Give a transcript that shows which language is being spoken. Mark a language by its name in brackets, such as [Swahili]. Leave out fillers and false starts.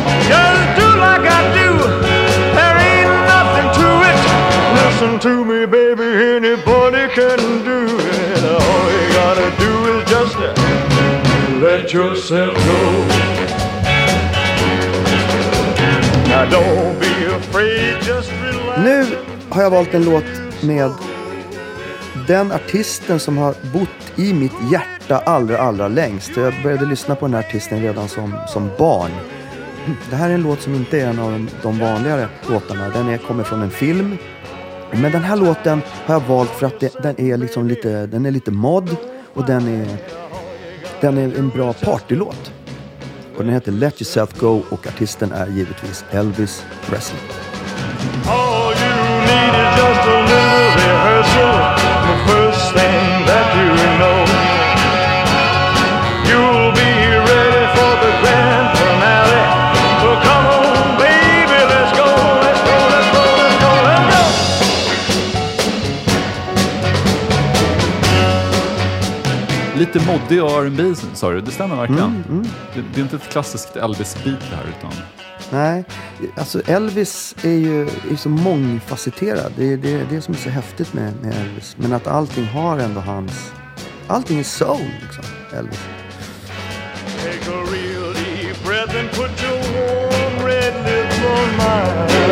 [English] Just do like I do, there ain't nothing to it. Listen to me, baby, anybody can do it. All you gotta do is just let yourself go. Now don't be afraid, just relax. [Swedish] Nu har jag valt en låt med den artisten som har bott i mitt hjärta allra, allra längst. Jag började lyssna på den här artisten redan som barn. Det här är en låt som inte är en av de vanligare låtarna. Den kommer från en film. Men den här låten har jag valt för att den är liksom lite, den är lite mod. Och den är en bra partylåt. Och den heter Let Yourself Go. Och artisten är givetvis Elvis Presley. [English] All you need is just a little rehearsal. First thing that you know, you'll be ready for the grand finale. So come on, baby, let's go, let's go, let's go, let's go, let's go. [Swedish] Lite moddig R&B, sa du. Det stämmer verkligen. Det är inte ett klassiskt Elvis-beat här, utan... Nej, alltså Elvis är ju så mångfacetterad. Det som är så häftigt med Elvis. Men att allting har ändå hans... Allting är soul, liksom, Elvis. [English] Take a real deep breath and put your warm red lips on mine.